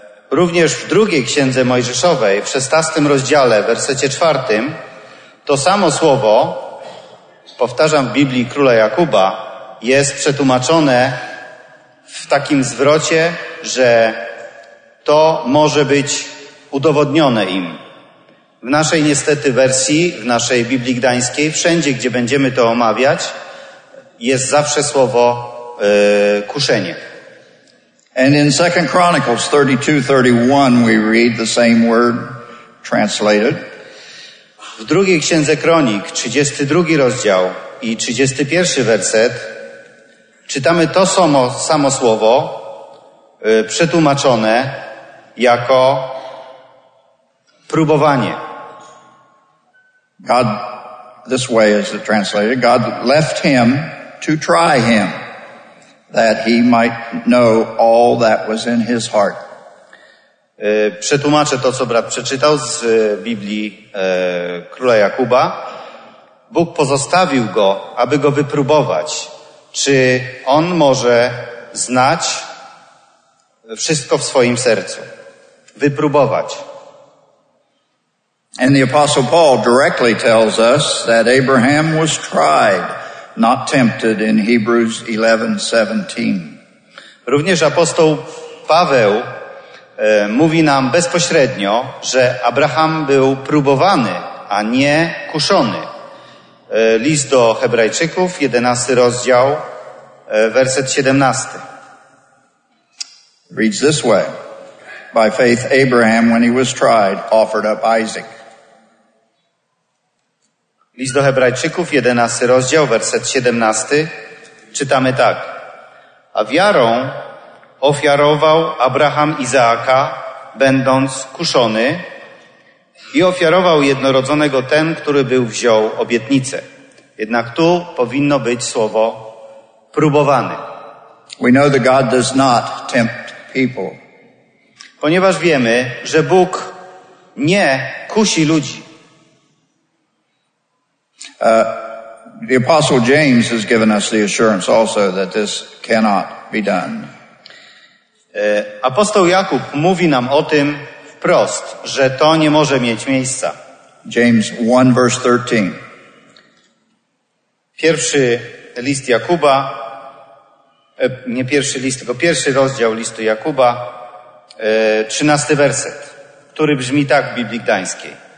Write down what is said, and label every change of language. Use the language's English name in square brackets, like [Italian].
[Polish] Również w drugiej Księdze Mojżeszowej, w 16 rozdziale, wersecie 4, To samo słowo, powtarzam w Biblii króla Jakuba, jest przetłumaczone w takim zwrocie, że to może być udowodnione im. W naszej niestety wersji, w naszej Biblii Gdańskiej, wszędzie, gdzie będziemy to omawiać, jest zawsze słowo kuszenie. [English] And in 2 Chronicles 32:31 we read the same word translated. [Polish] W drugiej Księdze Kronik, 32 rozdział i 31 werset, czytamy to samo słowo przetłumaczone jako próbowanie. [English] God, this way is it translated, God left him to try him, that he might know all that was in his heart. [Polish] Przetłumaczę to, co brat przeczytał z Biblii króla Jakuba. Bóg pozostawił go, aby go wypróbować, czy on może znać wszystko w swoim sercu. Wypróbować. [English] And the apostle Paul directly tells us that Abraham was tried, not tempted, in Hebrews 11:17. [Polish] Również apostoł Paweł mówi nam bezpośrednio, że Abraham był próbowany, a nie kuszony. List do Hebrajczyków, 11 rozdział, werset 17. [English] Reads this way. By faith Abraham, when he was tried, offered up Isaac. [Polish] List do Hebrajczyków, 11 rozdział, werset 17, czytamy tak. A wiarą ofiarował Abraham Izaaka, będąc kuszony, i ofiarował jednorodzonego ten, który był wziął obietnicę. Jednak tu powinno być słowo próbowany. [English] We know that God does not tempt people. [Polish] Ponieważ wiemy, że Bóg nie kusi ludzi. [English] The apostle James has given us the assurance also that this cannot be done. [Polish] Apostoł Jakub mówi nam o tym wprost, że to nie może mieć miejsca. [English] James 1 verse 13. [Polish] Pierwszy list Jakuba, nie pierwszy list, tylko pierwszy rozdział listu Jakuba, 13 werset, który brzmi tak w Biblii Gdańskiej.